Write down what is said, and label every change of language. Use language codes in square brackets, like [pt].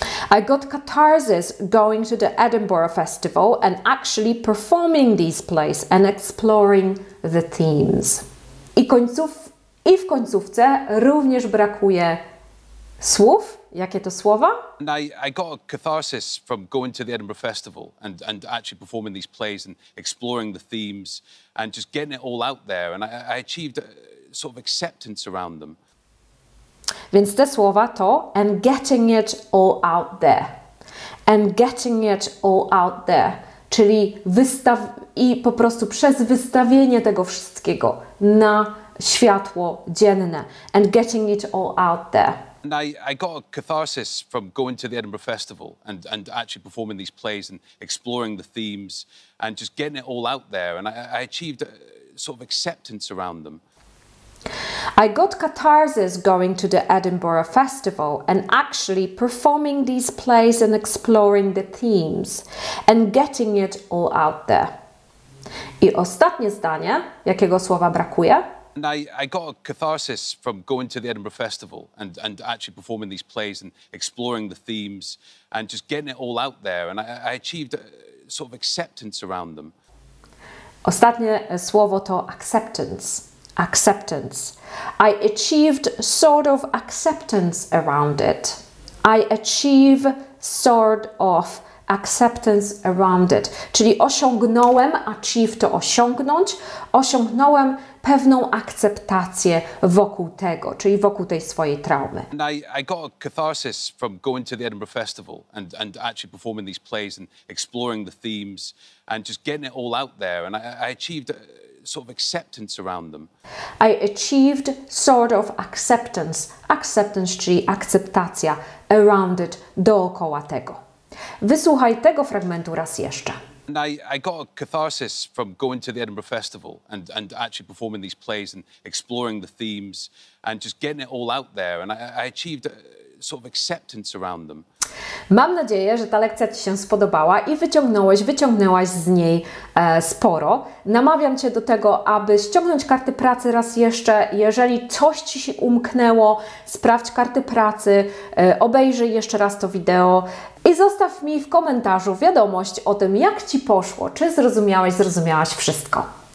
[en] I got catharsis going to the Edinburgh Festival and actually performing these plays and exploring the themes. [pl] I w końcówce również brakuje słów. Jakie to słowa? [en] And I got a catharsis from going to the Edinburgh Festival and actually performing these plays and exploring the themes and just getting it all out there. And I achieved sort of acceptance around them. [pl] Więc te słowa to [en] and getting it all out there. And getting it all out there. [pl] Czyli i po prostu przez wystawienie tego wszystkiego na światło dzienne. [en] And getting it all out there. And I got a catharsis from going to the Edinburgh Festival and actually performing these plays and exploring the themes and just getting it all out there. And I achieved a sort of acceptance around them. I got catharsis going to the Edinburgh Festival and actually performing these plays and exploring the themes and getting it all out there. [pl] I ostatnie zdanie, jakiego słowa brakuje? [en] And I got a catharsis from going to the Edinburgh Festival and actually performing these plays and exploring the themes and just getting it all out there. And I achieved a sort of acceptance around them. [pl] Ostatnie słowo to acceptance. Acceptance. [en] I achieved sort of acceptance around it. I achieve sort of acceptance around it. [pl] Czyli osiągnąłem, achieve to osiągnąć, osiągnąłem pewną akceptację wokół tego, czyli wokół tej swojej traumy. [en] And I got a catharsis from going to the Edinburgh Festival and actually performing these plays and exploring the themes and just getting it all out there. And I achieved sort of acceptance around them. I achieved sort of acceptance. [pl] Acceptance, czyli akceptacja [en] around it, [pl] dookoła tego. Wysłuchaj tego fragmentu raz jeszcze. [en] And I got a catharsis from going to the Edinburgh Festival and actually performing these plays and exploring the themes and just getting it all out there. And I achieved a sort of acceptance around them. [pl] Mam nadzieję, że ta lekcja Ci się spodobała i wyciągnęłaś z niej sporo. Namawiam Cię do tego, aby ściągnąć karty pracy raz jeszcze. Jeżeli coś Ci się umknęło, sprawdź karty pracy, obejrzyj jeszcze raz to wideo i zostaw mi w komentarzu wiadomość o tym, jak Ci poszło, czy zrozumiałaś wszystko.